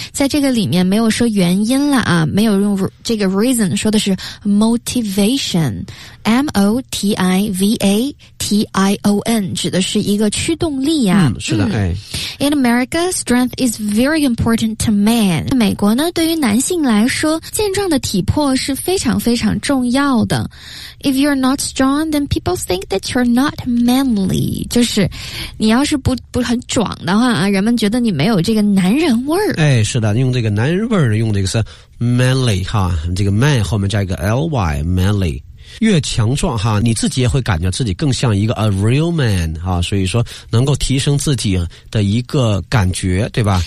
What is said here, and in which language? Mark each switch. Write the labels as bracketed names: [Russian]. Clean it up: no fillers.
[Chinese] 在这个里面没有说原因了啊，没有用这个 reason， 说的是 motivation， M-O-T-I-V-A-T-I-O-N， 指的是一个驱动力啊。是的、 [English] In America, strength is very important to men. [Chinese] 美国呢，对于男性来说，健壮的体魄是非常非常重要的。 [English] If you're not strong, then people think that you're not manly. [Chinese] 就是你要是不很壮的话啊，人们觉得你没有这个男人味儿。哎，是的，用这个男人味儿，用这个是 manly 哈，这个 man 后面加一个 ly， manly。越强壮哈，你自己也会感觉自己更像一个 [English] a real man [Chinese] 哈，所以说能够提升自己的一个感觉，对吧？